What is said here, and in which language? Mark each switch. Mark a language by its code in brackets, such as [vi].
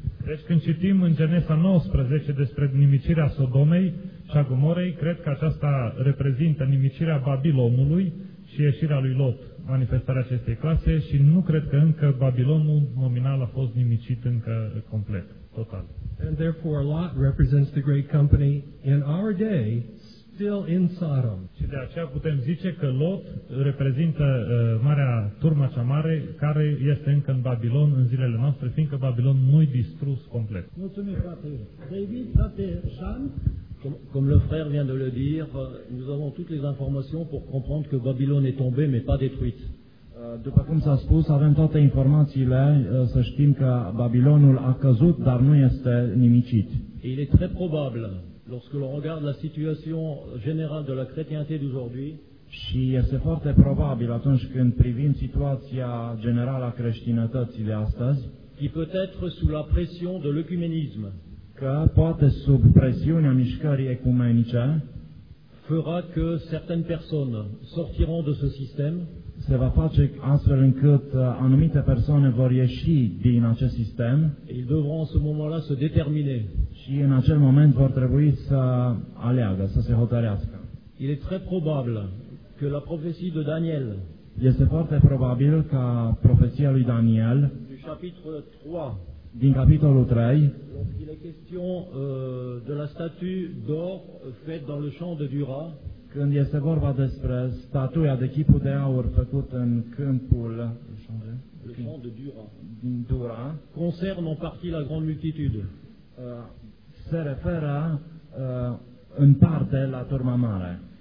[ro] Deci când citim în Genesa 19 despre nimicirea Sodomei și a Gomorei, cred că aceasta reprezintă nimicirea Babilonului și ieșirea lui Lot, manifestarea acestei clase, și nu cred că încă Babilonul nominal a fost nimicit încă complet, total. [en] And therefore Lot represents the great company in our day still in Sodom. [ro] Și de aceea putem zice că Lot reprezintă marea turmă cea mare care este încă în Babilon în zilele noastre, fiindcă Babilon nu-i distrus complet. Mulțumim, frate. [fr] David, frate, Jean, comme le frère vient de le dire, nous avons toutes les informations pour comprendre que Babylone est tombée mais pas détruite. [ro] După cum s-a spus, avem toate informațiile să știm că Babilonul a căzut, dar nu este nimicit. [fr] Et il est très probable. Lorsque l'on regarde la situation générale de la chrétienté d'aujourd'hui, [ro] și este foarte probabil atunci când privim situația generală a creștinătății de astăzi, [fr] qui peut être sous la pression de l'œcuménisme, [ro] că poate sub presiunea mișcării ecumenice, [fr] fera que certaines personnes sortiront de ce système, [ro] se va face astfel încât anumite persoane vor ieși din acest sistem, [fr] et ils devront en ce moment-là se déterminer. [ro] Și în acel moment vor trebui să aleagă, să se hotărească. [fr] Il est très probable que la prophétie de Daniel. [ro] Este foarte probabil ca profeția lui Daniel, [fr] du chapitre 3, [ro] din capitolul 3, [fr] il est question de la statue d'or faite dans le champ de Dura, [ro] când este vorba despre statuia de chipul de aur făcut în câmpul [fr] le champ de Dura, concerne en partie la grande multitude. [ro] Se referă în parte la turma mare.